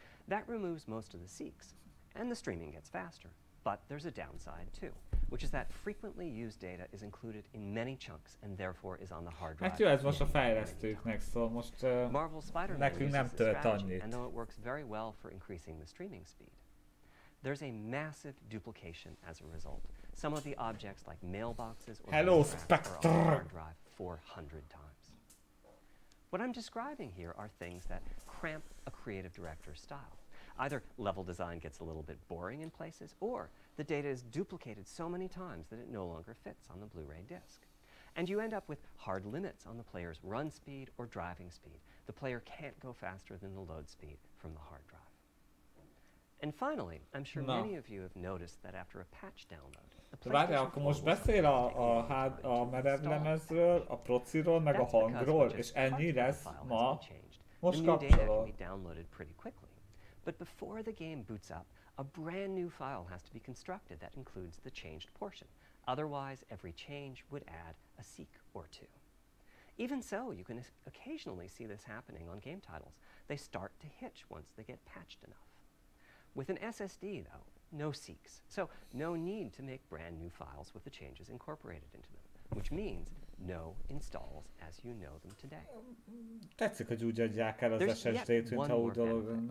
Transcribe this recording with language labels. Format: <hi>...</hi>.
<en>That removes most of the seeks, and the streaming gets faster. But there's a downside too, which is that frequently used data is included in many chunks and therefore is on the hard drive.</en> <hu>Hát jó, ez most a fejlesztőknek szól, most Marvel Spider-Man nem tölt annyit.</hu> <en>And though it works very well for increasing the streaming speed, there's a massive duplication as a result. Some of the objects like mailboxes or Hello, Spectre. Are on the hard drive 400 times. What I'm describing here are things that cramp a creative director's style. Either level design gets a little bit boring in places, or the data is duplicated so many times that it no longer fits on the Blu-ray disc. And you end up with hard limits on the player's run speed or driving speed. The player can't go faster than the load speed from the hard drive. And finally, I'm sure many of you have noticed that after a patch download, the PlayStation 4 will start taking a long time to install.</en> <hu>A merev lemezről, a prociról, meg a hangról, és ennyi lesz ma.</hu> <en>The new data can be downloaded pretty quickly. But before the game boots up, a brand new file has to be constructed that includes the changed portion. Otherwise, every change would add a seek or two. Even so, you can occasionally see this happening on game titles. They start to hitch once they get patched enough. With an SSD, though, no seeks. So no need to make brand new files with the changes incorporated into them, which means no installs as you know them today.</en> <hu>Tetszik, hogy úgy adják el az SSD-t, mint ahogy dolgoznak.</hu>